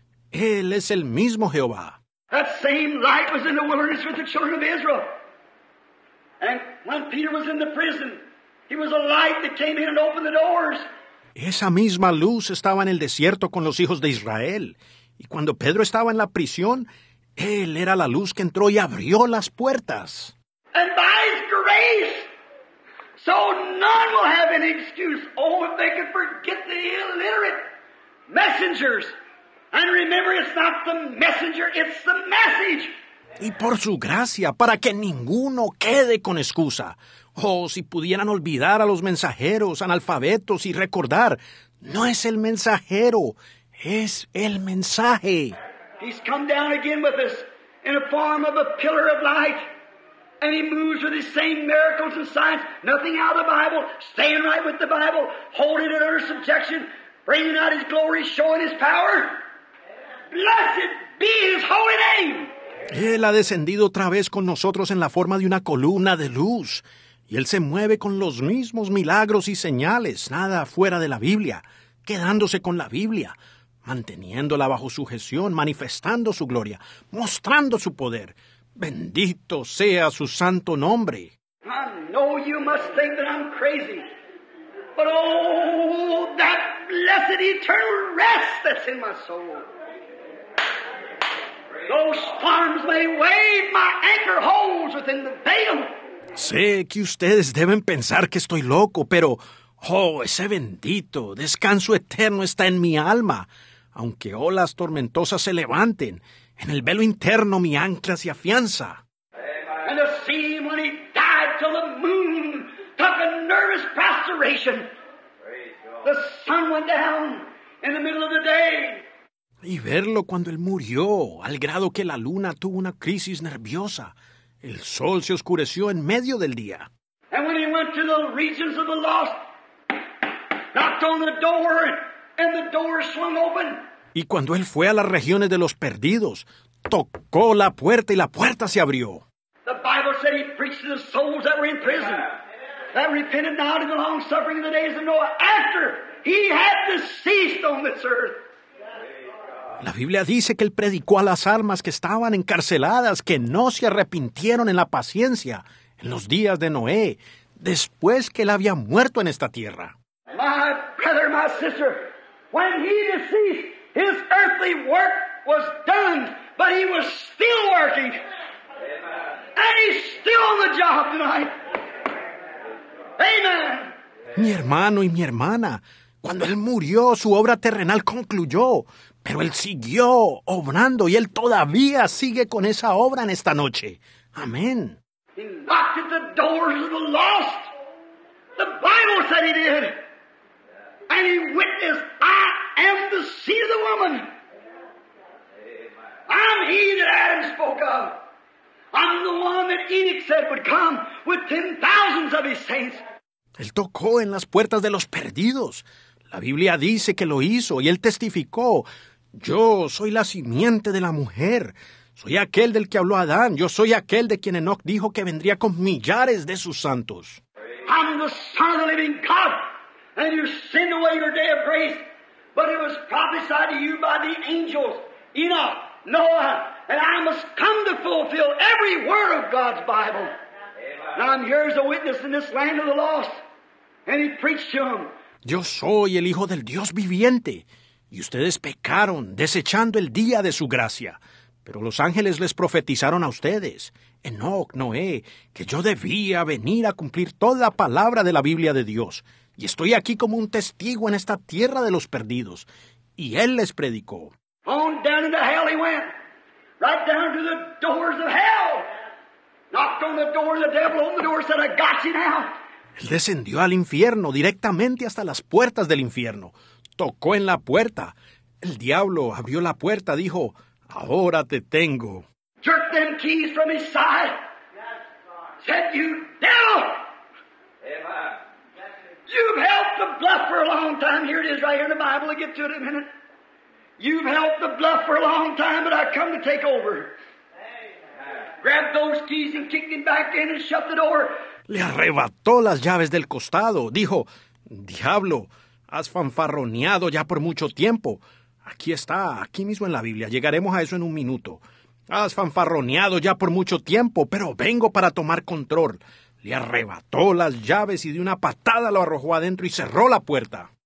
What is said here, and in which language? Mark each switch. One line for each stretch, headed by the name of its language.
Spanish: Él es el mismo Jehová.
English: That same light was in the wilderness with the children of Israel. And when Peter was in the prison, he was a light that came in and opened the doors.
Spanish: Esa misma luz estaba en el desierto con los hijos de Israel. Y cuando Pedro estaba en la prisión, él era la luz que entró y abrió las puertas.
English: And by his grace, so none will have any excuse. Oh, if they could forget the illiterate messengers. And remember, it's not the messenger, it's the message.
Spanish: Y por su gracia, para que ninguno quede con excusa. Oh, si pudieran olvidar a los mensajeros, analfabetos, y recordar, no es el mensajero, es el mensaje.
English: He's come down again with us in a form of a pillar of light. And he moves with the same miracles and signs, nothing out of the Bible, staying right with the Bible, holding it under subjection, bringing out his glory, showing his power. Blessed be his holy name.
Spanish: Él ha descendido otra vez con nosotros en la forma de una columna de luz. Y Él se mueve con los mismos milagros y señales, nada fuera de la Biblia, quedándose con la Biblia, manteniéndola bajo sujeción, manifestando su gloria, mostrando su poder. Bendito sea su santo nombre.
English: I know you must think that I'm crazy, but oh, that blessed eternal rest that's in my soul. Those storms may wave, my anchor holds within the veil.
Spanish: Sé que ustedes deben pensar que estoy loco, pero, oh, ese bendito descanso eterno está en mi alma. Aunque olas tormentosas se levanten, en el velo interno mi ancla se afianza.
English: And the sea when he died till the moon took a nervous prostration. The sun went down in the middle of the day.
Spanish: Y verlo cuando él murió, al grado que la luna tuvo una crisis nerviosa. El sol se oscureció en medio del día.
English: And when he went to the regions of the lost, knocked on the door, and the door swung open.
Spanish: Y cuando él fue a las regiones de los perdidos, tocó la puerta y la puerta se abrió.
English: The Bible said he preached to the souls that were in prison, that repented not of the long suffering in the days of Noah, after he had deceased on this earth.
Spanish: La Biblia dice que él predicó a las almas que estaban encarceladas, que no se arrepintieron en la paciencia, en los días de Noé, después que él había muerto en esta tierra.
English: My brother, my sister, when he deceased, his earthly work was done, but he was still working. And he's still on the job tonight. Amen.
Spanish: Mi hermano y mi hermana, cuando él murió, su obra terrenal concluyó. Pero él siguió obrando y él todavía sigue con esa obra en esta noche. Amén.
English: He knocked at the doors of the lost. The Bible said he did. And he witnessed, I am the seed of the woman. I'm he that Adam spoke of. I'm the one that Enoch said would come with 10,000s of his saints.
Spanish: Él tocó en las puertas de los perdidos. La Biblia dice que lo hizo y él testificó. Yo soy la simiente de la mujer. Soy aquel del que habló Adán. Yo soy aquel de quien Enoch dijo que vendría con millares de sus santos.
English: I'm the son of the living God. And you send away your day of grace. But it was prophesied to you by the angels. Enoch, Noah, and I must come to fulfill every word of God's Bible. Now I'm here as a witness in this land of the lost. And he preached to them.
Spanish: Yo soy el hijo del Dios viviente. Y ustedes pecaron, desechando el día de su gracia. Pero los ángeles les profetizaron a ustedes, Enoch, Noé, que yo debía venir a cumplir toda la palabra de la Biblia de Dios. Y estoy aquí como un testigo en esta tierra de los perdidos. Y él les predicó.
English: On down into hell he went. Right down to the doors of hell. Knocked on the door, the devil opened the door, said, I got you now.
Spanish: Él descendió al infierno, directamente hasta las puertas del infierno. Tocó en la puerta. El diablo abrió la puerta, dijo, ahora te tengo.
English: Jerked them keys from his side. Said, you devil. You've helped the bluff for a long time. Here it is right here in the Bible. I'll get to it in a minute. You've helped the bluff for a long time, but I've come to take over. Grabbed those keys and kicked him back in and shut the door.
Spanish: Le arrebató las llaves del costado. Dijo, diablo, has fanfarroneado ya por mucho tiempo. Aquí está, aquí mismo en la Biblia. Llegaremos a eso en un minuto. Has fanfarroneado ya por mucho tiempo, pero vengo para tomar control. Le arrebató las llaves y de una patada lo arrojó adentro y cerró la puerta.